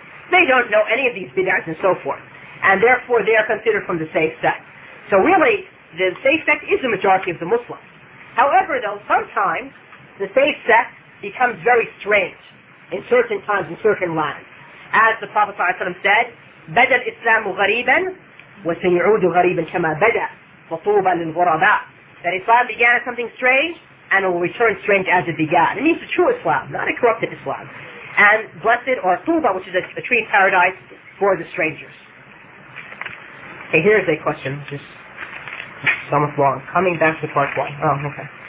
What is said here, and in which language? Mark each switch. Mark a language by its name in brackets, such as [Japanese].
[English] They don't know any of these bid'ahs and so forth, and therefore they are considered from the same sect. So really, the same sect is the majority of the Muslims. However, though, sometimes the same sect becomes very strange in certain times, in certain lands. As the Prophet ﷺ said, [Arabic] بَدَى الْإِسْلَامُ غَرِيبًا وَسَيْعُودُ غَرِيبًا كَمَا بَدَى فَطُوبًا لِلْغُرَبَاءِ. [English] That Islam began as something strange, and it will return strange as it began. It means the true Islam, not a corrupted Islam. And blessed, or Tuba, which is a tree in paradise, for the strangers. Okay, here's a question, just somewhat long. Coming back to part one. Oh, okay.